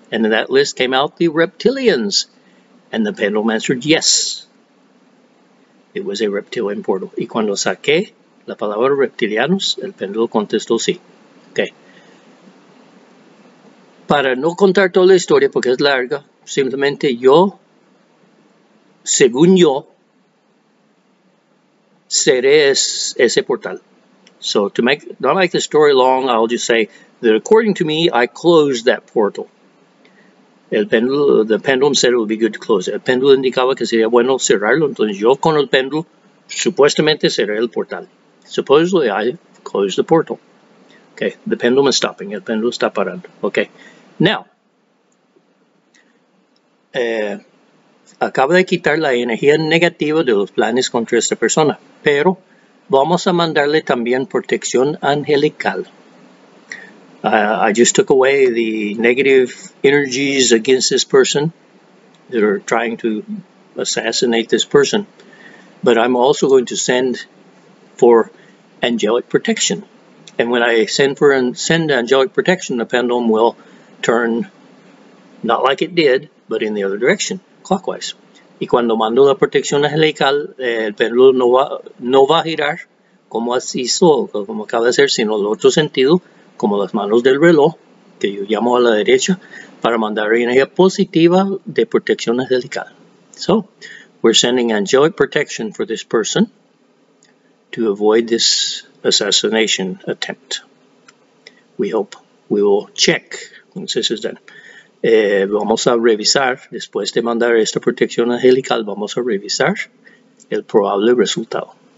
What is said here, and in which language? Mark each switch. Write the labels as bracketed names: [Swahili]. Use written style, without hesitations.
[English] And in that list came out the reptilians. And the pendulum answered yes. It was a reptilian portal. [Spanish] Y cuando saqué la palabra reptilianos, el pendulum contestó sí. Okay. Para no contar toda la historia, porque es larga, simplemente yo, según yo, seré ese portal. [English] So to make, not make the story long, I'll just say that according to me, I closed that portal. The pendulum said it would be good to close it. [Spanish] El pendulum indicaba que sería bueno cerrarlo, entonces yo con el pendulum supuestamente cerré el portal. [English] Supposedly, I closed the portal. Okay, the pendulum is stopping. [Spanish] El pendulum está parando. [English] Okay, now, [Spanish] acaba de quitar la energía negativa de los planes contra esta persona, pero vamos a mandarle también protección angelical. [English] I just took away the negative energies against this person that are trying to assassinate this person. But I'm also going to send for angelic protection. And when I send angelic protection, the pendulum will turn, not like it did, but in the other direction, clockwise. [Spanish] Y cuando mando la protección angelical, el pendulum no va a girar como así solo, como acaba de hacer, sino el otro sentido, como las manos del reloj, que yo llamo a la derecha, para mandar energía positiva de protección angelical. [English] So, we're sending angelic protection for this person to avoid this assassination attempt. We hope we will check once this is done. [Spanish] Vamos a revisar, después de mandar esta protección angelical, vamos a revisar el probable resultado.